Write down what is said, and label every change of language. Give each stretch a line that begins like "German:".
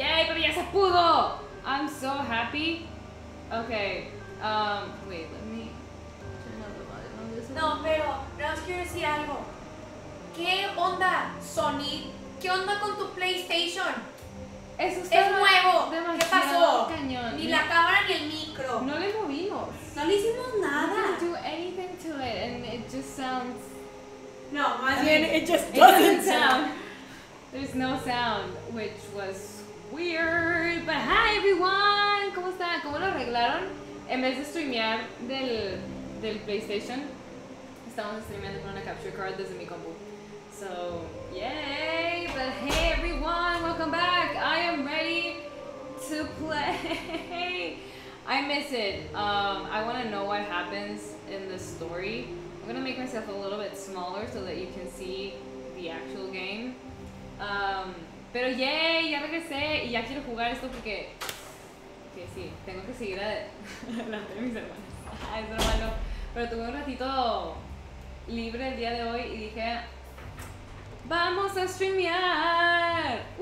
Spanish: Yay, pero ya se pudo!
English: I'm so happy. Okay, wait, let me turn up the volume on this
Spanish: one. No, pero, no, os quiero decir algo. ¿Qué onda, Sony? ¿Qué onda con tu PlayStation? Eso es nuevo. ¿Qué pasó? Cañón. Ni la cámara ni el micro. No le movimos. No le hicimos nada.
English: We didn't do anything to it and it just sounds...
Spanish: No, más bien,
English: it just doesn't sound. There's no sound, which was weird. But hi everyone!
Spanish: ¿Cómo están? ¿Cómo lo arreglaron? En vez de streamear del PlayStation, estamos streameando con una capture card desde mi compu.
English: So, yay! But hey everyone, welcome back! I am ready to play! I miss it. I want to know what happens in the story. I'm gonna make myself a little bit smaller so that you can see the actual game.
Spanish: Pero yay, ya regresé y ya quiero jugar esto porque que sí, tengo que seguir adelante de mis hermanos. Es normal, no. Pero tuve un ratito libre el día de hoy y dije, ¡vamos a streamear!